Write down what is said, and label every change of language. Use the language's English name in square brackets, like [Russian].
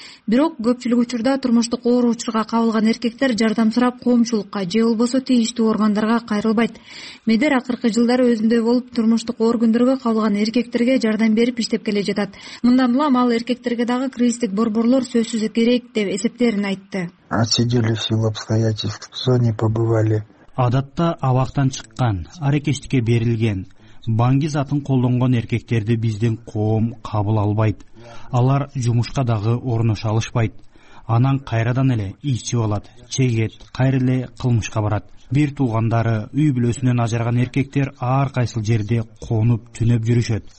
[Kyrgyz] Бирок көпчүлүк учурда турмуштук оор учурга кабылган эркектер жардам сурап коомчулукка же болбосо тийиштүү органдарга кайрылбайт. Медер акыркы жылдары өзүндөй болуп турмуштук оор күндөргө кабылган эркектерге жардам берип иштеп келе жатат. Мындан улам ал эркектерге дагы кризистик борборлор сөзсүз керек деп эсептерин айтты. [Russian] Отсидели в силу обстоятельств, в зоне побывали. [Kyrgyz] Адатта абактан чыккан, аракечтикке берилген, баңги затын колдонгон эркектерди биздин коом кабыл албайт. Алар жумушка дагы орношо алышпайт. Анан кайрадан эле ичип алат, чегет, кайра эле кылмышка барат. Бир туугандары, үй бүлөсүнөн ажыраган эркектер ар кайсыл жерде конуп түнөп жүрүшөт.